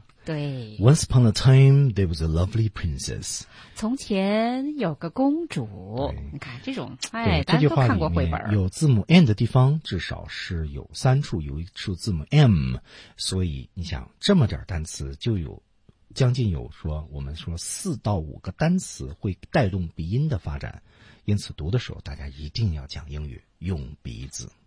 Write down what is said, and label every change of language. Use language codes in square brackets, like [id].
[zh] 对， [en] Once upon a time there was a lovely princess， [zh] 从前有个公主。你看这种，哎，这句话里面有字母 N 的地方至少是有三处，有一处字母 M， 所以你想这么点单词就有将近有说我们说四到五个单词会带动鼻音的发展，因此读的时候大家一定要讲英语用鼻子。